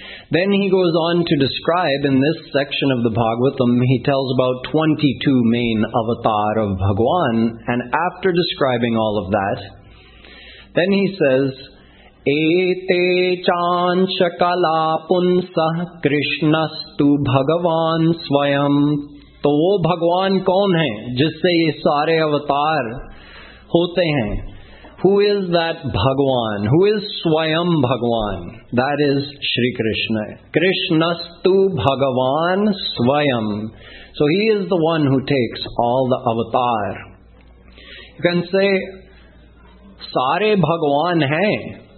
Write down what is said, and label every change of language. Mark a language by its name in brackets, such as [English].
[English] Then he goes on to describe, in this section of the Bhagavatam, he tells about 22 main avatar of Bhagwan. And after describing all of that, then he says, [Sanskrit] Ete chancha kalapunsa krishnastu bhagavan swayam. [Hindi] तो वो भगवान कौन है, जिससे ये सारे अवतार होते हैं? [English] Who is that Bhagwan? Who is Swayam Bhagwan? That is Shri Krishna. [Sanskrit] Krishnastu Bhagavan Swayam. [English] So he is the one who takes all the avatar. You can say, [Hindi] Sare Bhagwan hai.